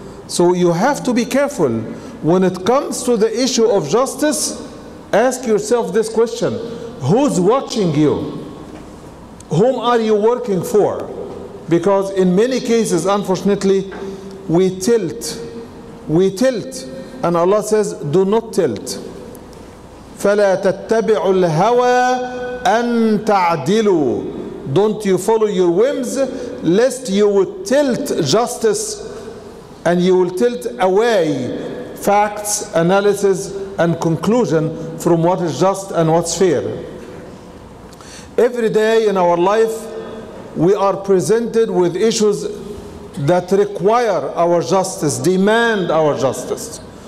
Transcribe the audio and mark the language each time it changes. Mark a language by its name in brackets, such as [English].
[English] So you have to be careful when it comes to the issue of justice. Ask yourself this question: who's watching you? Whom are you working for? Because in many cases, unfortunately, we tilt, and Allah says, do not tilt. [Arabic] فلا تتبعوا الهوى أن تعدلوا. [English] Don't you follow your whims, lest you would tilt justice, and you will tilt away facts, analysis, and conclusion from what is just and what's fair. Every day in our life, we are presented with issues that require our justice, demand our justice.